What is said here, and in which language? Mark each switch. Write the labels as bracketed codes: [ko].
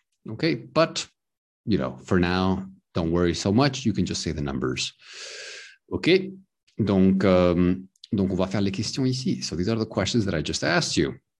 [en] Okay, but, you know, for now, don't worry so much. You can just say the numbers. [fr] Okay, donc on va faire les questions ici. [en] So these are the questions that I just asked you.